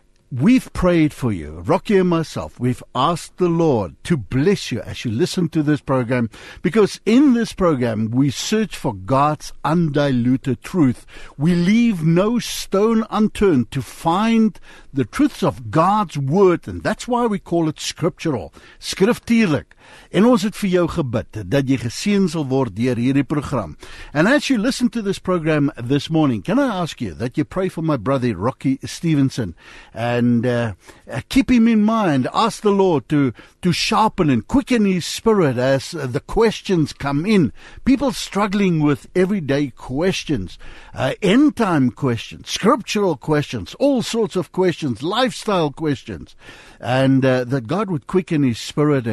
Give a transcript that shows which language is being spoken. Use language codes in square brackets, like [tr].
[en] We've prayed for you, Rocky and myself. We've asked the Lord to bless you as you listen to this program, because in this program, we search for God's undiluted truth. We leave no stone unturned to find the truths of God's word, and that's why we call it scriptural, skriftuurlik. [af] En ons het vir jou gebid dat jy geseën sal word deur hierdie program. [en] And as you listen to this program this morning, can I ask you that you pray for my brother Rocky Stevenson, and keep him in mind. Ask the Lord to sharpen and quicken his spirit as the questions come in. People struggling with everyday questions, end time questions, scriptural questions, all sorts of questions, lifestyle questions, and that God would quicken his spirit.